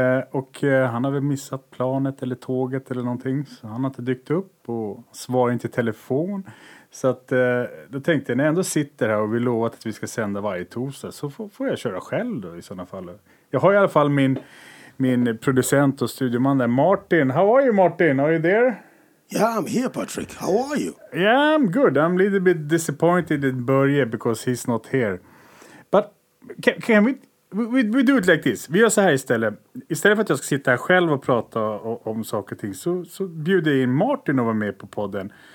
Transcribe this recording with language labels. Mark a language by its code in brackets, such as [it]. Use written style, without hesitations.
[sv] Och han har väl missat planet eller tåget eller någonting, så han har inte dykt upp och svarar inte telefon. Så att då tänkte jag, när jag ändå sitter här och vi lovat att vi ska sända varje torsdag, så får jag köra själv då i sådana fall. Jag har i alla fall min producent och studioman där, Martin. [en] How are you, Martin? Are you there? Yeah, I'm here, Patrick. How are you? Yeah, I'm good. I'm a little bit disappointed in Börje because he's not here. But can we... We do it like this. [sv] Vi gör så här istället. Istället för att jag ska sitta här själv och prata om saker och ting, så bjuder jag in Martin att vara med på podden.